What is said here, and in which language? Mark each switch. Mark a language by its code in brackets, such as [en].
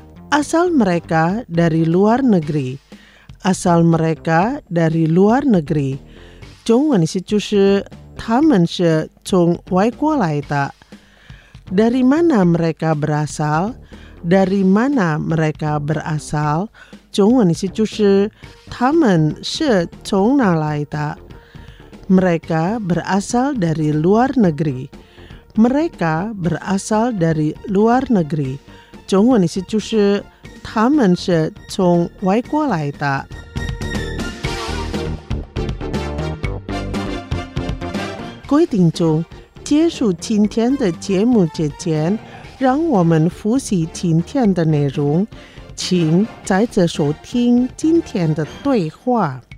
[id] Asal mereka dari luar negeri. Asal mereka dari luar negeri. [zh] 中文意思就是他们是从外国来的。 [id] Dari mana mereka berasal? Dari mana mereka berasal? [zh] 中文意思就是他们是从哪来的？ [id] Mereka berasal dari luar negeri. Mereka berasal dari luar negeri. [zh] 中文意思就是他们是从外国来的。各位听众，结束今天的节目之前，让我们复习今天的内容，请再次收听今天的对话。